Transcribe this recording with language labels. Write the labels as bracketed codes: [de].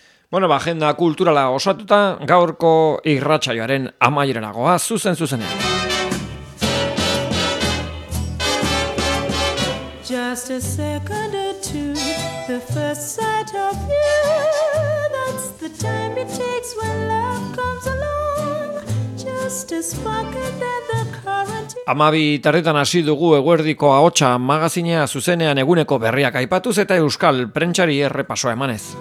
[eu] Bueno, ba, agenda kulturala osatuta, gaurko irratsaioaren amaierara goaz, zuzen zuzenean. [en] Just a second or two, the first sight of you, that's the time it takes when love comes along, just a spark and then the current. [eu] Amabi tarretan hasi dugu eguerdiko ahotsa magazinea zuzenean eguneko berriak aipatuz eta euskal prentsari errepasoa emanez.